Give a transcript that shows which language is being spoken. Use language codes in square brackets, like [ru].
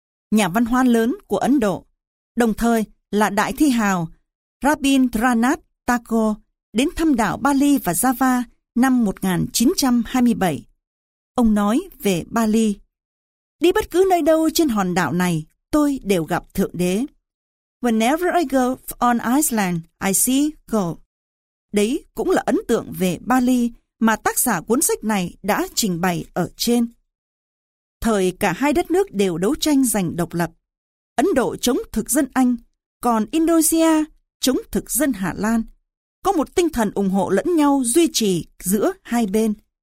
[vi] Nhà văn hóa lớn của Ấn Độ, đồng thời là đại thi hào Rabindranath Tagore đến thăm đảo Bali và Java năm 1927. Ông nói về Bali: "Đi bất cứ nơi đâu trên hòn đảo này, tôi đều gặp Thượng Đế. [en] Whenever I go on Iceland, I see God." [vi] Đấy cũng là ấn tượng về Bali mà tác giả cuốn sách này đã trình bày ở trên. Thời cả hai đất nước đều đấu tranh giành độc lập, Ấn Độ chống thực dân Anh, còn Indonesia chống thực dân Hà Lan, có một tinh thần ủng hộ lẫn nhau duy trì giữa hai bên.